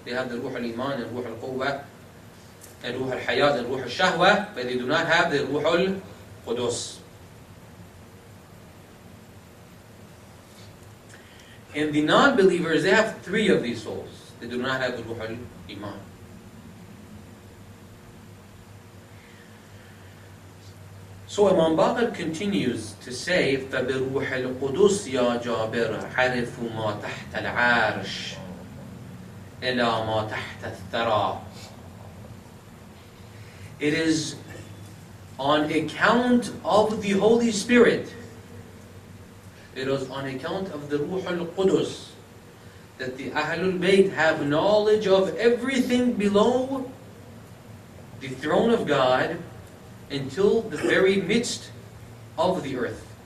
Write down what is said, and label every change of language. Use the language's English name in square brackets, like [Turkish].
[English] They have the ruh al-iman and ruh al-quwwa and ruh al-hayat and ruh al-shahwa, but they do not have the ruh al-qudus. And the non-believers, they have three of these souls. They do not have the ruh al-iman. So Imam Baqir continues to say, [Arabic] فَبِرُوحِ الْقُدُسِ يَا جَابِرَ عَرِفُ مَا تَحْتَ الْعَارِشِ إِلَى مَا تَحْتَ الثَّرَى. [English] It is on account of the Holy Spirit, it is on account of the Ruh al-Qudus, that the Ahlul Bayt have knowledge of everything below the throne of God until the very midst of the earth.